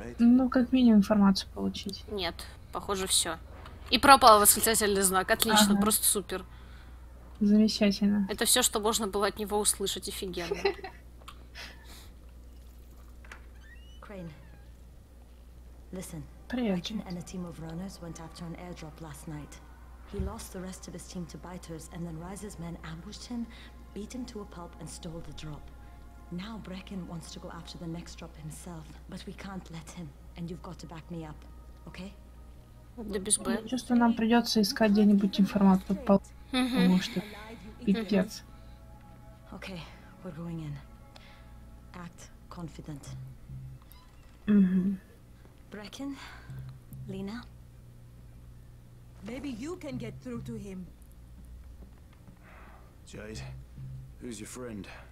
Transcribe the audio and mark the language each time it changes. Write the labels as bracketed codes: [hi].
[ru] Ну, как минимум информацию получить. Нет, похоже, все. И пропал восклицательный знак. Отлично, ага. Просто супер. Замечательно. Это все, что можно было от него услышать, офигенно. [en] Крейн, listen. [ru] Привет. [en] Крейн and a team of runners went after an airdrop last night. He lost the rest of his team to biters, and then Rise's men ambushed him, beat him to a pulp, and stole the drop. Now Brecken wants to go after the next drop himself, but we can't let him, and you've got to back me up, okay? [ru] Да без боя. Я чувствую, нам придется искать где-нибудь информацию по полу, потому что пипец. [en] Окей, we're going in. Act confident. Брекен, Лина, maybe you can get through to him. Джейд, who's your friend?